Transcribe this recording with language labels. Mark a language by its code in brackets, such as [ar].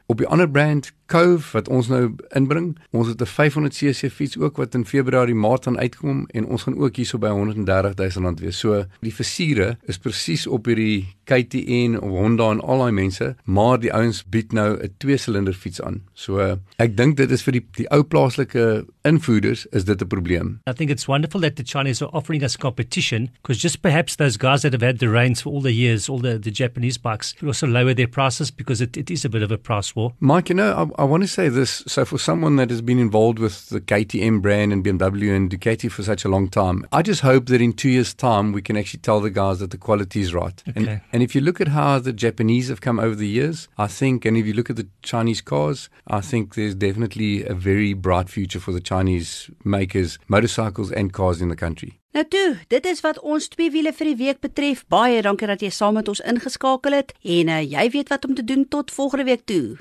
[af] Op die ander brand, Cove, wat ons nou inbring, ons het 'n 500cc fiets ook wat in Februarie maart gaan uitkom en ons gaan ook hierso by R130,000 wees. So die versiere is presies op hierdie KTN of Honda en al die mense, maar die ouens bied nou 'n 2-silinder fiets aan. So ek dink dit is vir die ou plaaslike invoeders is dit 'n probleem. [en] I think it's wonderful that the Chinese are offering us competition because just perhaps those guys that have had the reins for all the years, all the Japanese bikes, will also lower their prices because it is a bit of a price war. Mike, you know, I want to say this. So for someone that has been involved with the KTM brand and BMW and Ducati for such a long time, I just hope that in 2 years' time, we can actually tell the guys that the quality is right. Okay. And if you look at how the Japanese have come over the years, I think, and if you look at the Chinese cars, I think there's definitely a very bright future for the Chinese makers, motorcycles and cars in the country. [af] Nou toe, dit is wat ons twee wiele vir die week betref. Baie dankie dat jy saam met ons ingeskakel het. En jy weet wat om te doen tot volgende week toe.